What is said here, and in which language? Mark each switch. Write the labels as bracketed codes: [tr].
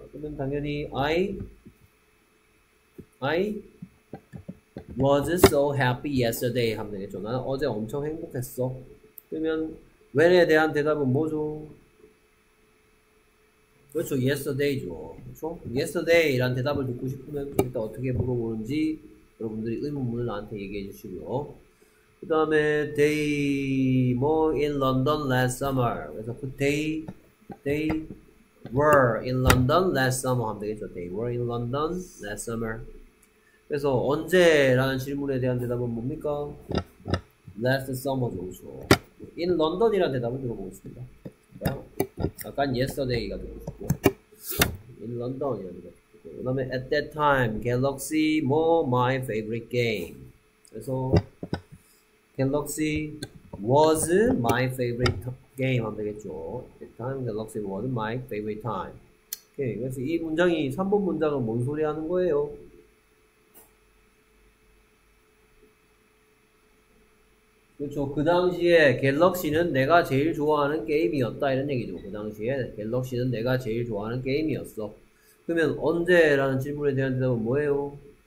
[ko] 그러면 당연히 [en] I was so happy yesterday [ko] 하면 되겠죠. 나는 어제 엄청 행복했어. 그러면 when에 대한 대답은 뭐죠? 그렇죠. yesterday죠. 그렇죠? yesterday란 대답을 듣고 싶으면 일단 어떻게 물어보는지 여러분들이 의문문을 나한테 얘기해 주시고요. 그 다음에 [en] they were in London last summer. [ko] 그래서 그 [en] they were in London last summer [ko] 하면 되겠죠. [en] They were in London last summer. [ko] 그래서 언제라는 질문에 대한 대답은 뭡니까? [en] Last summer죠. [ko] 그렇죠. [en] In London이라는 [ko] 대답을 들어보겠습니다. 약간 yesterday가 되고 싶고. [en] In London [ko] 이런 거. [en] 그다음에 at that time, Galaxy was my favorite game. 그래서 Galaxy was my favorite game [ko] 하면 되겠죠. [en] At that time, Galaxy was my favorite time. [ko] 오케이. 그래서 이 문장이 3번 문장은 뭔 소리 하는 거예요? 그렇죠. 그 당시에 갤럭시는 내가 제일 좋아하는 게임이었다. 이런 얘기죠. 그 당시에 갤럭시는 내가 제일 좋아하는 게임이었어. 그러면 언제라는 질문에 대한 대답은 뭐예요?